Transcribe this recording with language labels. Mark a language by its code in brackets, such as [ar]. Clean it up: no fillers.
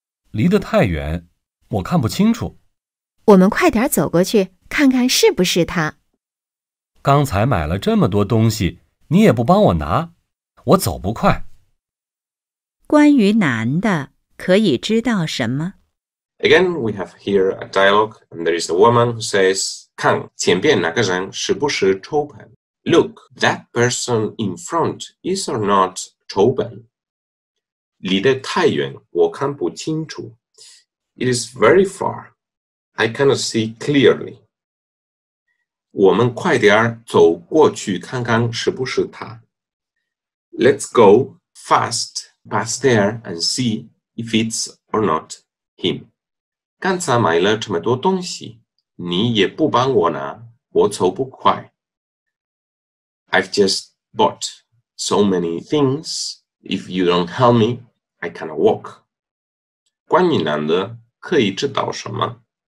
[zh] 离得太远,我看不清楚。我们快点走过去,看看是不是他。刚才买了这么多东西,你也不帮我拿,我走不快。关于男的,可以知道什么? [en] Again, we have here a dialogue, and there is a woman who says, [zh] 看,前边那个人是不是周鹏? [en] Look, that person in front is or not 周鹏? [zh] 离得太远,我看不清楚。 [en] It is very far. I cannot see clearly. [zh] 我们快点走过去看看是不是他。 [en] Let's go fast past there and see if it's or not him. [zh] 刚才买了这么多东西,你也不帮我拿,我走不快。 [en] I've just bought so many things. If you don't help me,I cannot walk. [zh] 关于男的可以知道什么?